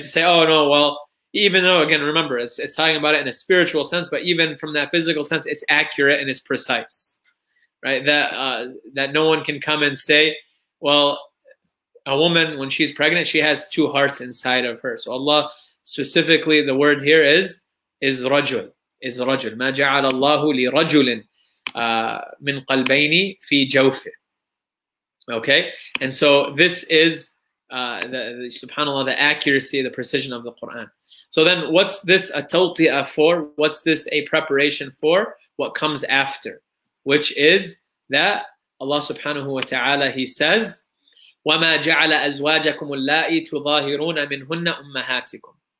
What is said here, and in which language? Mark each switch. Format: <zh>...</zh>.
<en>To say, oh no, well, even though, again, remember, it's talking about it in a spiritual sense, but even from that physical sense, it's accurate and it's precise, right? That no one can come and say, well, a woman, when she's pregnant, she has two hearts inside of her. So Allah, specifically, the word here is rajul, is rajul.</en> <ar>ما جعل الله لرجل من قلبين في جوفه.</ar> <en>Okay, and so this is the subhanAllah, the accuracy, the precision of the Quran. So then, what's this a tawtia for? What's this a preparation for? What comes after? Which is that Allah subhanahu wa ta'ala, He says,</en> <ar>وَمَا جَعَلَ أَزْوَاجَكُمُ اللَّائِي تُظَاهِرُونَ مِنْهُنَّ أُمَّهَاتِكُمْ.</ar>